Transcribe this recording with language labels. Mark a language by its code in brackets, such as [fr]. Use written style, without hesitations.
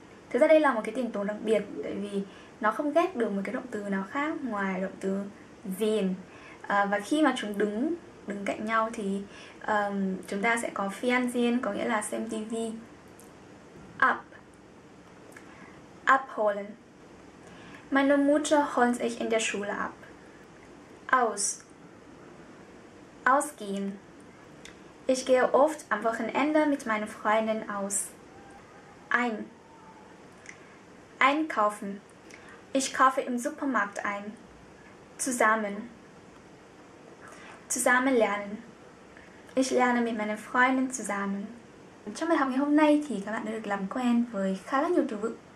[vi] Thực ra đây là một cái tiền tố đặc biệt, tại vì nó không ghép được một cái động từ nào khác ngoài động từ sehen. Và khi mà chúng đứng cạnh nhau thì chúng ta sẽ có Fernsehen, có nghĩa là xem TV. [de] Ab. Abholen. Meine Mutter holt sich in der Schule ab. Aus. Ausgehen. Ich gehe oft am Wochenende mit meinen Freunden aus. Ein. Einkaufen. Ich kaufe im Supermarkt ein. Zusammen. Zusammen lernen. Ich lerne mit meinen Freunden zusammen. [vi] Trong bài học ngày hôm nay thì các bạn đã được làm quen với khá là nhiều từ vựng.